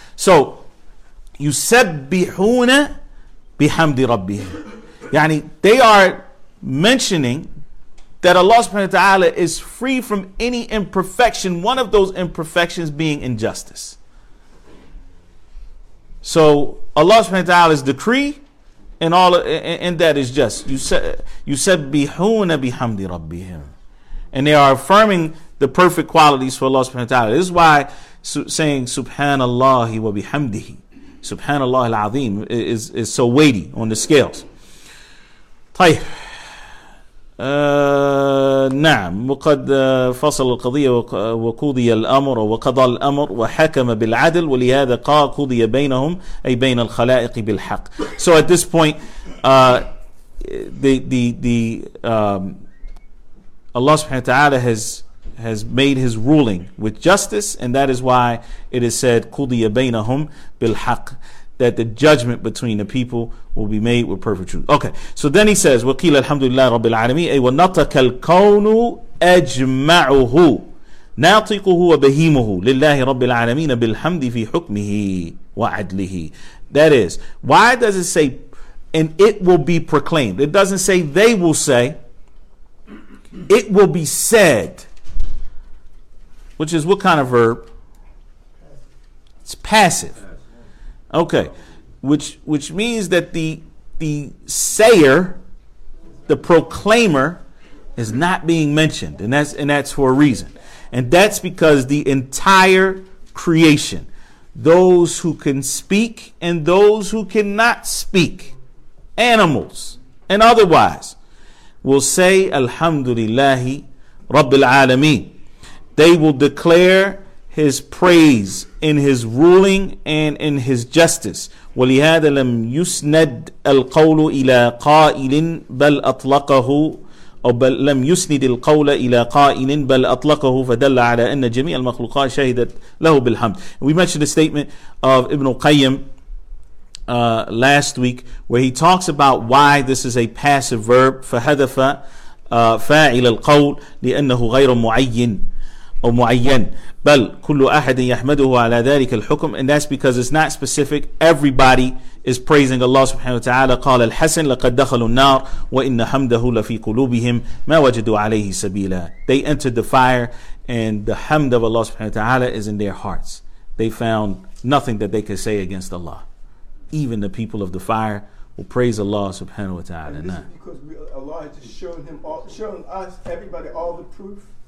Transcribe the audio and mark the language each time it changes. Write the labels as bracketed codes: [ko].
[ar] So يُسَبِّحُونَ بِحَمْدِ رَبِّهِمْ. [en] Yani, they are mentioning that Allah subhanahu wa ta'ala is free from any imperfection, one of those imperfections being injustice. So Allah subhanahu wa ta'ala's decree and all and that is just. [ar] يُسَبِّحُونَ بِحَمْدِ رَبِّهِمْ. [en] And they are affirming the perfect qualities for Allah subhanahu wa ta'ala. This is why saying Subhanallah wa bihamdihi, Subhanallah al-Azim, is so weighty on the scales. [ar] طيب نعم وقد فصل القضية وقضي الأمر وقضى الأمر وحكم بالعدل ولهذا قضي بينهم أي بين الخلائق بالحق. [en] So at this point, Allah subhanahu wa ta'ala has made his ruling with justice, and that is why it is said [ar] قُضِيَ بَيْنَهُمْ بِالْحَقِّ, [en] that the judgment between the people will be made with perfect truth. Okay, so then he says [ar] وَقِيلَ الْحَمْدُ لِلَّهِ رَبِّ الْعَالَمِينَ أَيْ وَنَطَكَ الْكَوْنُ أَجْمَعُهُ نَاطِقُهُ وَبَهِيمُهُ لِلَّهِ رَبِّ الْعَالَمِينَ بِالْحَمْدِ فِي حُكْمِهِ وَعَدْلِهِ. [en] That is, why does it say and it will be proclaimed? It doesn't say they will say, it will be said. Which is what kind of verb? It's passive. Okay. Which means that the sayer, the proclaimer, is not being mentioned. And that's for a reason. And that's because the entire creation, those who can speak and those who cannot speak, animals and otherwise, will say Alhamdulillahi Rabbil Alameen. They will declare his praise in his ruling and in his justice. [ar] ولهذا لم يسند القول إلى قائل بل أطلقه أو بل لم يسند القول إلى قائل بل أطلقه فدل على أن جميع المخلوقات شهدت له بالحمد. [en] We mentioned the statement of Ibn al-Qayyim last week where he talks about why this is a passive verb [ar] فهدف فاعل القول لأنه غير معين أو معين بل كل أحد يحمده على ذلك الحكم. [en] And that's because it's not specific. Everybody is praising Allah subhanahu wa ta'ala. [ar] قال الحسن لقد دخلوا النار وإن حمده لفي قلوبهم ما وجدوا عليه سبيلا. [en] They entered the fire and the hamd of Allah subhanahu wa ta'ala is in their hearts. They found nothing that they could say against Allah. Even the people of the fire will praise Allah subhanahu wa ta'ala. And this is because Allah has just shown us, everybody, all the proof.